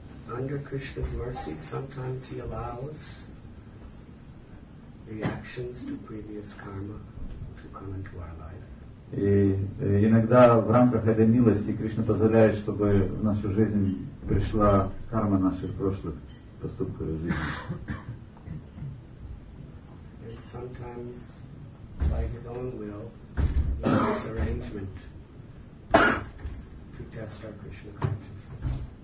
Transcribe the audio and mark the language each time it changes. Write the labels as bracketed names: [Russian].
[English] Under Krishna's mercy, sometimes he allows reactions to previous karma to come into our life. [Russian] И иногда в рамках этой милости Кришна позволяет, чтобы в нашу жизнь пришла карма наших прошлых поступков и жизни. [English] Sometimes, by his own will, he makes arrangement to test our Krishna consciousness.